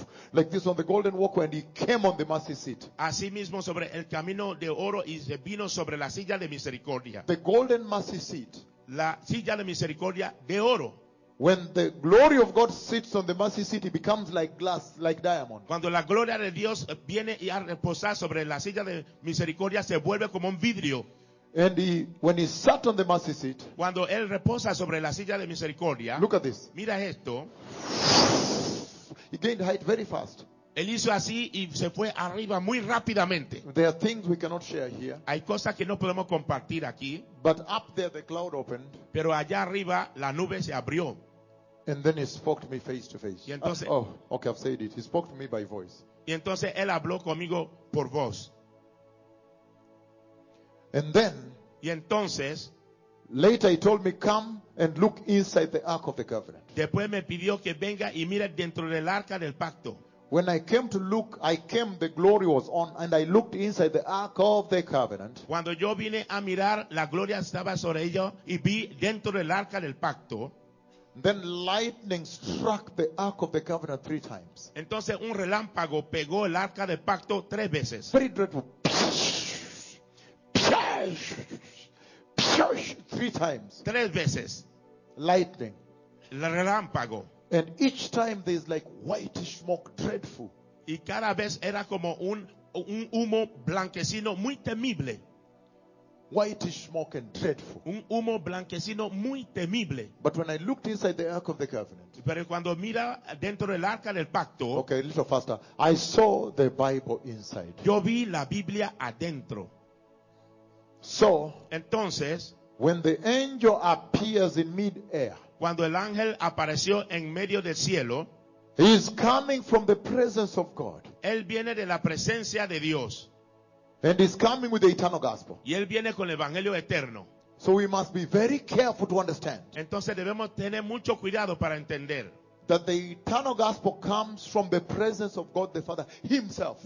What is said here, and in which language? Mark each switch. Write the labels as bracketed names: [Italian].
[English] Like this on the golden walkway, and he came on the mercy seat. [Spanish] Así mismo sobre el camino de oro y se vino sobre la silla de misericordia. [English] The golden mercy seat. [Spanish] La silla de misericordia de oro. [English] When the glory of God sits on the mercy seat, it becomes like glass, like diamond. [Spanish] Cuando la gloria de Dios viene y a reposar sobre la silla de misericordia, se vuelve como un vidrio. [English] And when he sat on the mercy seat, [Spanish] cuando él reposa sobre la silla de misericordia, [English] look at this. [Spanish] Mira esto. [English] He gained height very fast. [Spanish] Él hizo así y se fue arriba muy rápidamente. [English] There are things we cannot share here. [Spanish] Hay cosas que no podemos compartir aquí. [English] But up there the cloud opened. [Spanish] Pero allá arriba la nube se abrió. [English] And then he spoke to me face to face. [Spanish] Y entonces, [English] I've said it. He spoke to me by voice. [Spanish] Y entonces él habló conmigo por voz. [English] And then, [Spanish] y entonces, [English] later he told me, come and look inside the ark of the covenant. [Spanish] Después me pidió que venga y mire dentro del arca del pacto. [English] When I came to look, I came, the glory was on, and I looked inside the ark of the covenant. [Spanish] Cuando yo vine a mirar, la gloria estaba sobre ella, y vi dentro del arca del pacto. [English] Then lightning struck the ark of the covenant 3 times. [Spanish] Entonces un relámpago pegó el arca del pacto 3 veces. [English] Very dreadful. Psh, psh, psh, 3 times. [Spanish] 3 veces. [English] Lightning. [Spanish] El relámpago. [English] And each time there's like white smoke, dreadful. [Spanish] Y cada vez era como un humo blanquecino muy temible. [English] White smoke and dreadful. [Spanish] Un humo blanquecino muy temible. [English] But when I looked inside the Ark of the Covenant. [Spanish] Pero cuando mira dentro del arca del pacto. [English] Okay, a little faster. I saw the Bible inside. [Spanish] Yo vi la Biblia adentro. [English] So. [Spanish] Entonces. [English] When the angel appears in mid-air. [Spanish] Cuando el ángel apareció en medio del cielo, [English] he is coming from the presence of God. [Spanish] Él viene de la presencia de Dios. [English] And he's coming with the eternal gospel. [Spanish] Y él viene con el evangelio eterno. [English] So we must be very careful to understand. [Spanish] Entonces debemos tener mucho cuidado para entender. [English] That the eternal gospel comes from the presence of God the Father himself.